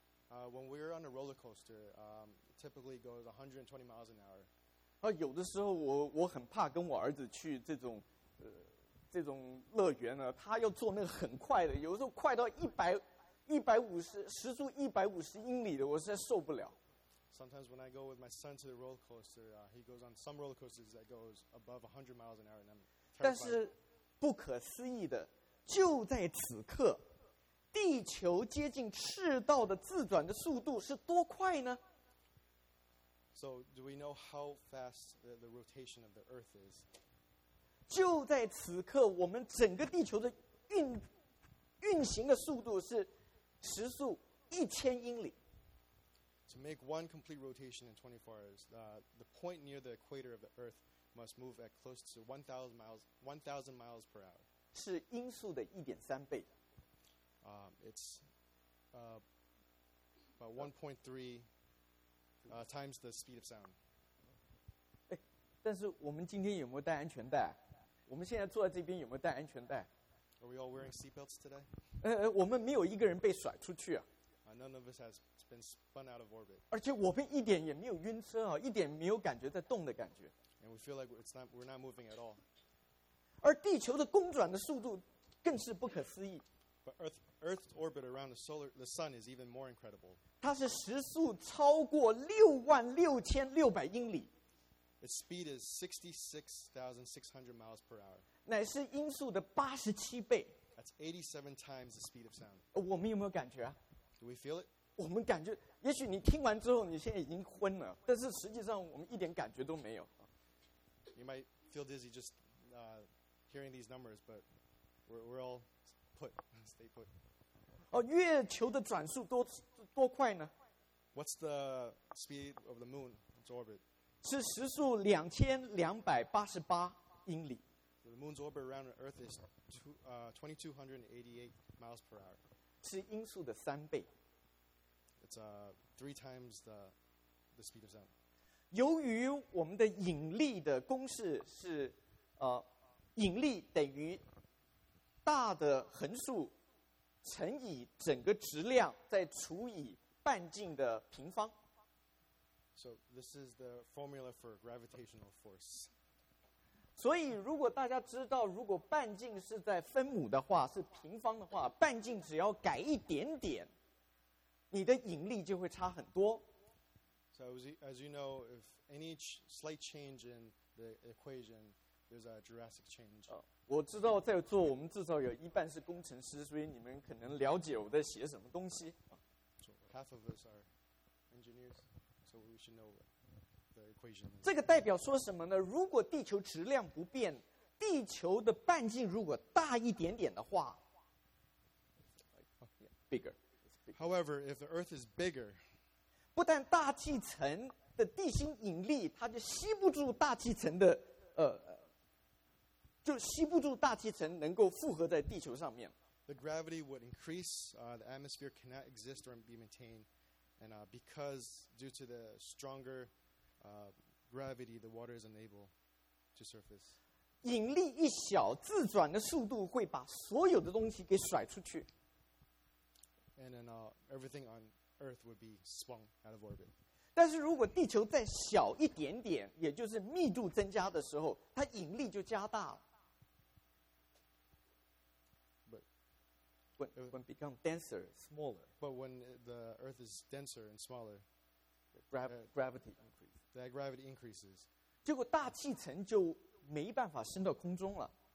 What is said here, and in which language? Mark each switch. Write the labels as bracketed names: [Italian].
[English] When we're on a roller coaster, typically goes 120 miles an hour. [Chinese] 有的时候我很怕跟我儿子去这种。这种乐园呢，他要坐那个很快的，有时候快到一百五十，时速150英里的，我实在受不了。 [English] Sometimes when I go with my son to the roller coaster, he goes on some roller coasters that goes above 100 miles an hour, and I'm terrified. [Chinese] 但是不可思议的，就在此刻，地球接近赤道的自转的速度是多快呢 [English] ？So do we know how fast the rotation of the Earth is? [Chinese] 就在此刻，我们整个地球的运行的速度是时速1000英里。 [English] To make one complete rotation in 24 hours, the point near the equator of the Earth must move at close to 1,000 miles per hour. [Chinese] 是音速的1.3倍。 [English] It's about 1.3 times the speed of sound. [Chinese] 但是我们今天有没有带安全带？我们现在坐在这边有没有带安全带 [English] ？Are we all wearing seatbelts today？ [Chinese] 我们没有一个人被甩出去啊。 [English] None of us has been spun out of orbit。 [Chinese] 而且我们一点也没有晕车啊，一点没有感觉在动的感觉。 [English] And we feel like we're not moving at all。 [Chinese] 而地球的公转的速度更是不可思议。 [English] But Earth's orbit around the sun is even more incredible。 [Chinese] 它是时速超过66,600英里。 [English] Its speed is 66,600 miles per hour. [Chinese] 乃是音速的87倍。 [English] That's 87 times the speed of sound. [Chinese] 我们有没有感觉啊 [English] ？Do we feel it? [Chinese] 我们感觉，也许你听完之后，你现在已经昏了，但是实际上我们一点感觉都没有。 [English] You might feel dizzy just hearing these numbers, but we're all put, stay put. [Chinese] 月球的转速多快呢 [English] ？What's the speed of the moon? Its orbit. [Chinese] 是时速2,288英里。 [English] The moon's orbit around the Earth is 2,288 miles per hour. [Chinese] 是音速的3倍。 [English] It's three times the speed of sound. [Chinese] 由于我们的引力的公式是引力等于大的横数乘以整个质量再除以半径的平方。 [English] So this is the formula for gravitational force. [Chinese] 所以如果大家知道，如果半径是在分母的话，是平方的话，半径只要改一点点，你的引力就会差很多。 [English] So as you know, if any slight change in the equation, there's a drastic change. [Chinese] 我知道在座我们至少有一半是工程师，所以你们可能了解我在写什么东西。 [English] So half of us are engineers, so we should know the equation. [Chinese] 这个代表说什么呢？如果地球质量不变，地球的半径如果大一点点的话 ， [English] bigger. However, if the Earth is bigger, [Chinese] 不但大气层的地心引力它就吸不住大气层的就吸不住大气层能够附合在地球上面。 [English] The gravity would increase, the atmosphere cannot exist or be maintained, and because due to the stronger gravity, the water is unable to surface. [Chinese] 引力一小，自转的速度会把所有的东西给甩出去。 [English] And then everything on Earth would be swung out of orbit. [Chinese] 但是如果地球再小一点点，也就是密度增加的时候，它引力就加大了。 [English] But when become denser, smaller. But when the Earth is denser and smaller, gravity increases. That gravity increases. [Chinese] 结果大气层就没办法升到空中了。